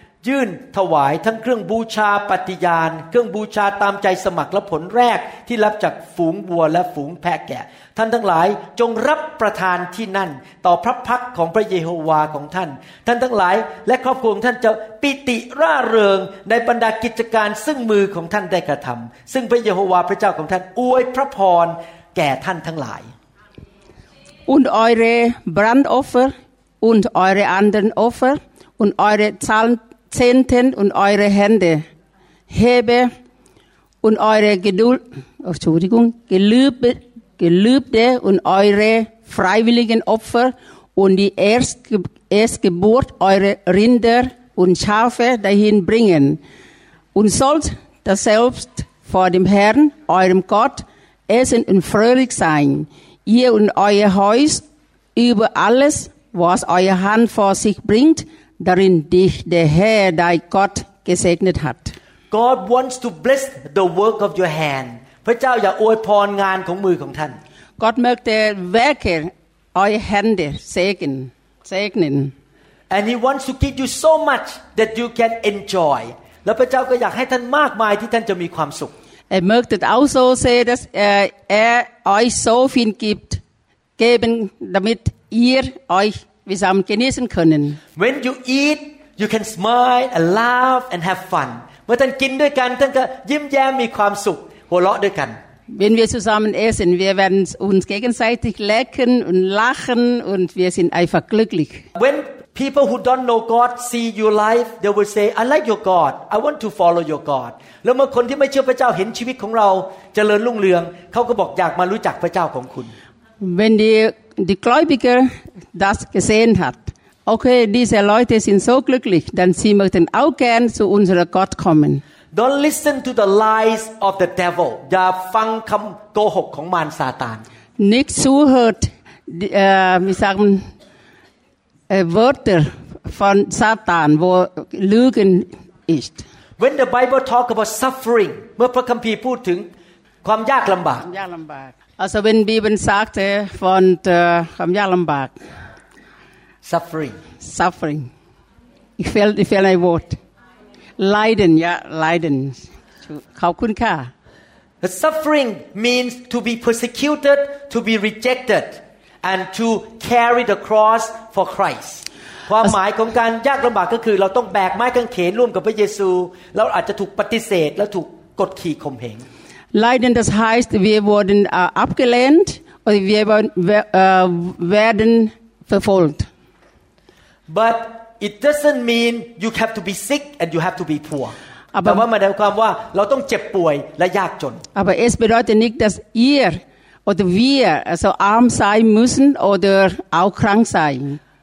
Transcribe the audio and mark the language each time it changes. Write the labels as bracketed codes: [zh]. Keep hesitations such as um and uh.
[th] ยื่นถวายทั้งเครื่องบูชาปฏิญาณ เครื่องบูชาตามใจสมัครและผลแรกที่รับจากฝูงวัวและฝูงแพะแกะ ท่านทั้งหลายจงรับประทานที่นั่น ต่อพระพักของพระเยโฮวาของท่าน ท่านทั้งหลายและครอบครัวของท่านจะปิติร่าเริงในบรรดากิจการซึ่งมือของท่านได้กระทำซึ่งพระเยโฮวาพระเจ้าของท่านอวยพระพรแก่ท่านทั้งหลาย [de] und eure Brandopfer und eure anderen Opfer und eure Zahn- Zehnten und eure Hände, Hebe und eure Geduld, Entschuldigung, Gelübde, Gelübde und eure freiwilligen Opfer und die Erstge Erstgeburt eure Rinder und Schafe dahin bringen und sollt das selbst vor dem Herrn, eurem Gott, essen und fröhlich sein, ihr und euer Haus über alles, was eure Hand vor sich bringt, darin dich der Herr, dein Gott, gesegnet hat. [en] God wants to bless the work of your hand [th] พระเจ้าอยากอวยพรงานของมือของท่าน [de] Gott möchte Werke eure Hände segnen. segnen. [en] and He wants to give you so much that you can enjoy [th] และพระเจ้าก็อยากให้ท่านมากมายที่ท่านจะมีความสุข [de] Er möchte auch so sehen, dass er, er euch so viel gibt, geben, damit ihr euch zusammen genießen können. [en] when you eat you can smile and laugh and have fun [th] เมื่อท่านกินด้วยกันท่านก็ยิ้มแย้มมีความสุข หัวเราะด้วยกัน [de] Wenn wir zusammen essen, wir werden uns gegenseitig lecken und lachen und wir sind einfach glücklich. [en] when people who don't know God see your life they will say I like your God I want to follow your God [th] แล้วเมื่อคนที่ไม่เชื่อพระเจ้าเห็นชีวิตของเราเจริญรุ่งเรืองเขาก็บอกอยากมารู้จักพระเจ้าของคุณ [de] Wenn die, die Gläubiger das gesehen hat, okay, diese Leute sind so glücklich, dann sie möchten auch gern zu unserem Gott kommen. [en] Don't listen to the lies of the devil [th] อย่าฟังคำโกหกของมารซาตาน [de] Nicht zuhört, die, äh, wie sagen, äh, Wörter von Satan, wo Lügen ist. [en] When the Bible talk about suffering [th] เมื่อพระคัมภีร์พูดถึงความยากลำบาก [de] Also wenn Bibel sagte von äh, vom Jallenberg, [en] suffering Suffering. [de] Ich fehlt ich fehl ein Wort. Leiden, ja, Leiden. [th] ขอบคุณค่ะ [en] the suffering means to be persecuted to be rejected and to carry the cross for Christ [th] ความหมายของการยากลำบากก็คือ เราต้องแบกไม้กางเขนร่วมกับพระเยซู เราอาจจะถูกปฏิเสธและถูกกดขี่ข่มเหง [de] Leiden, das heißt, wir wurden äh, abgelehnt und wir wurden- wer- äh, werden verfolgt. [en] but it doesn't mean you have to be sick and you have to be poor อ่ะ [th] แต่ว่าหมายความว่าเราต้องเจ็บป่วยและยากจน [de] Aber es bedeutet nicht, dass ihr oder wir also arm sein müssen oder auch krank sein.